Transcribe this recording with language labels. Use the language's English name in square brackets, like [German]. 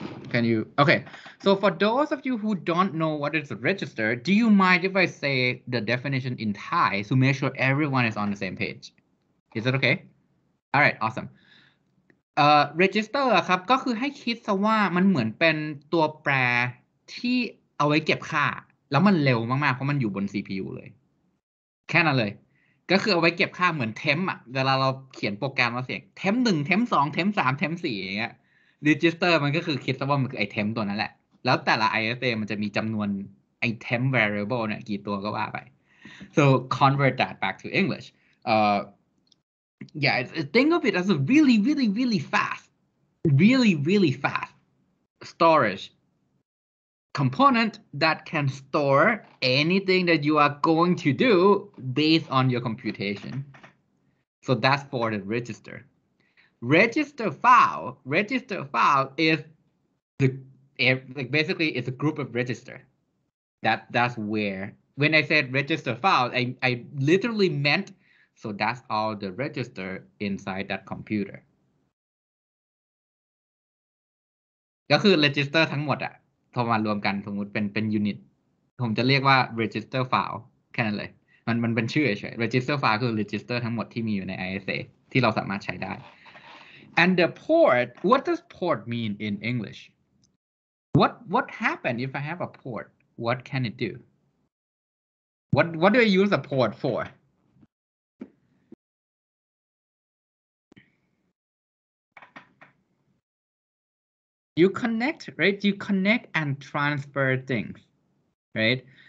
[English] Can you, okay. So for those of you who don't know what is a register, do you mind if I say the definition in Thai to make sure everyone is on the same page? Is it okay? All right, awesome. [Thai] Register ครับก็คือให้คิดซะว่ามันเหมือนเป็นตัวแปรที่เอาไว้เก็บค่าแล้วมันเร็วมากๆเพราะมันอยู่บน CPU เลย แค่นั้นเลยก็คือเอาไว้เก็บค่าเหมือนเทมป์อ่ะเวลาเราเขียนโปรแกรมเราเสียงเทมป์1เทมป์2เทมป์3เทมป์4อย่างเงี้ยเรจิสเตอร์มันก็คือคิดซะว่ามันคือไอเทมตัวนั้นแหละแล้วแต่ละ IST มันจะมีจำนวน ไอเทม variable เนี่ยกี่ตัวก็ว่าไป [English] so convert that back to English yeah think of it as a really really really fast really really fast storage component that can store anything that you are going to do based on your computation so that's for the registerRegister file is the like basically it's a group of register. That's where when I said register file, I literally meant so that's all the register inside that computer. [Thai] ก็คือ register ทั้งหมดอะพอมารวมกันสมมติเป็น unit ผมจะเรียกว่า register file แค่นั้นเลยมันเป็นชื่อเฉย register file คือ register ทั้งหมดที่มีอยู่ใน ISA ที่เราสามารถใช้ได้ [English] And the port, what does port mean in English? What happens if I have a port? What can it do? What do I use a port for? You connect, right? You connect and transfer things, right?